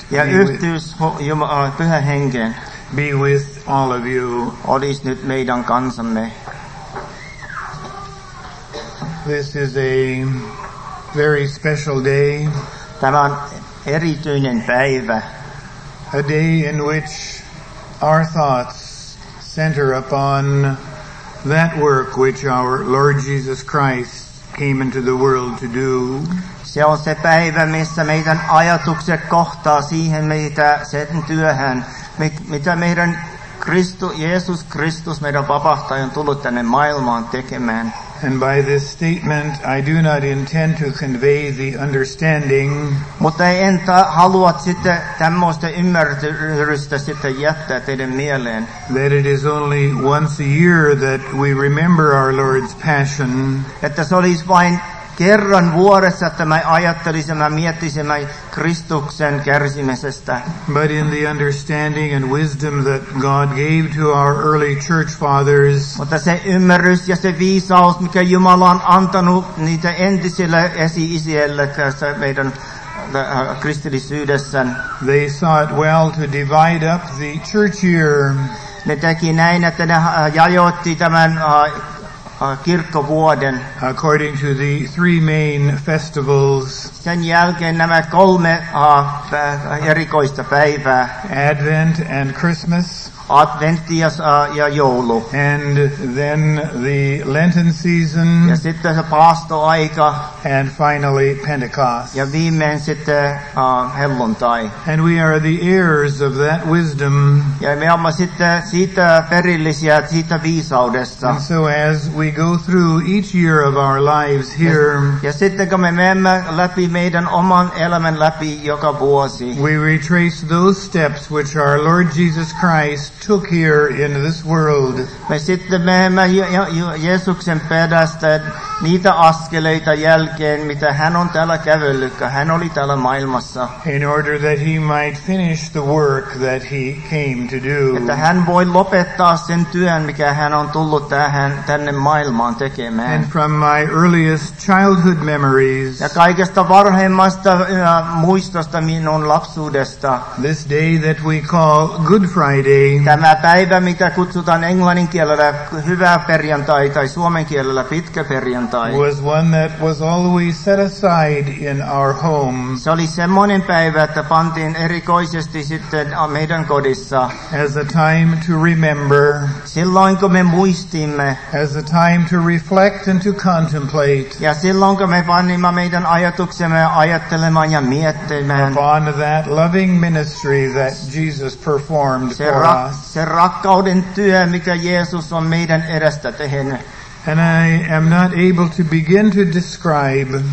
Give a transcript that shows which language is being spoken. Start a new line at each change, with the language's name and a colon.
Finnish: Ja yhteys Jumalan Pyhän Hengen.
English: Be with all of you.
Finnish: Olis nyt meidän kansamme.
English: This is a very special day.
Finnish: Tämä on erityinen päivä.
English: A day in which our thoughts center upon that work which our Lord Jesus Christ came into the world to do.
Finnish: Se on se päivä, missä meidän ajatukset kohtaa siihen meitä sen työhön, mitä meidän Jeesus Kristus, meidän vapahtaja, on tullut tänne maailmaan tekemään.
English: And by this statement, I do not intend to convey the understanding.
Finnish: Mutta en halua sitten tämmöistä ymmärrystä sitten jättää teidän mieleen.
English: That it is only once a year that we remember our Lord's passion.
Finnish: Että se olisi vain kerran vuodessa, että mä ajattelisin, mä miettisin mä Kristuksen kärsimisestä.
English: But in the understanding and wisdom that God gave to our early church fathers.
Finnish: Mutta se ymmärrys ja se viisaus, mikä Jumala on antanut niitä entisille esi-isille tässä meidän kristillisyydessä.
English: They saw it well to divide up the church year.
Finnish: Ne teki näin, että ne jajoitti tämän kirkkovuoden.
English: According to the three main festivals.
Finnish: Sen jälkeen nämä kolme erikoista päivää.
English: Advent and Christmas.
Finnish: Adventti ja joulu.
English: And then the Lenten season.
Finnish: Ja sitten se paastoaika.
English: And finally Pentecost.
Finnish: Ja viimein sitten helluntai.
English: And we are the heirs of that wisdom.
Finnish: Ja me olemme sitten siitä perillisiä, siitä viisaudesta.
English: And so as we go through each year of our lives here.
Finnish: Ja sitten kun me menemme läpi meidän oman elämän läpi joka vuosi.
English: We retrace those steps which our Lord Jesus Christ took here in this world.
Finnish: Me sitten menemme Jeesuksen perästä niitä askeleita jälkeen, mitä hän on täällä kävellyt, kun hän oli täällä maailmassa.
English: In order that he might finish the work that he came to do.
Finnish: Että hän voi lopettaa sen työn, mikä hän on tullut tähän tänne maailmaan tekemään.
English: And from my earliest childhood memories.
Finnish: Ja kaikesta varhemmasta muistosta minun lapsuudesta.
English: This day that we call Good Friday.
Finnish: Tämä päivä, mitä kutsutaan englannin kielellä hyvää perjantai tai suomen kielellä pitkä perjantai.
English: Was one that was always set aside in our home.
Finnish: Se oli semmoinen päivä, että pantiin erikoisesti sitten meidän kodissa.
English: As a time to remember.
Finnish: Silloin kun me muistimme.
English: As a time to reflect and to contemplate.
Finnish: Ja silloin kun me panimme meidän ajatuksemme ajattelemaan ja miettimään.
English: Upon that loving ministry that Jesus performed for us.
Finnish: Se rakkauden työ, mikä Jeesus on meidän edestä tehnyt.
English: And I am not able to begin to describe.